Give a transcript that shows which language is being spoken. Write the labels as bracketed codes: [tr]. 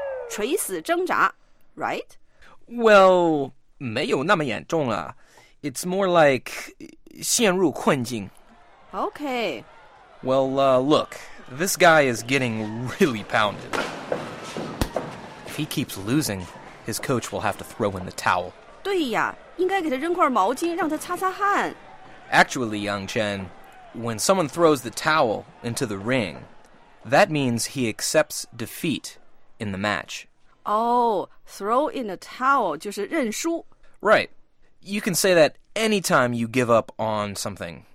[zh] 垂死挣扎 [en] right? [zh] Well, 没有那么严重啊 [en] It's more like [zh] 陷入困境 [en] Okay. Well, look, this guy is getting really pounded. If he keeps losing, his coach will have to throw in the towel. [zh] 对呀，应该给他扔块毛巾，让他擦擦汗 [en] Actually, Yang Chen, when someone throws the towel into the ring,That means he accepts defeat in the match. Oh, throw in a towel [zh] 就是认输。 [en] Right. You can say that anytime you give up on something.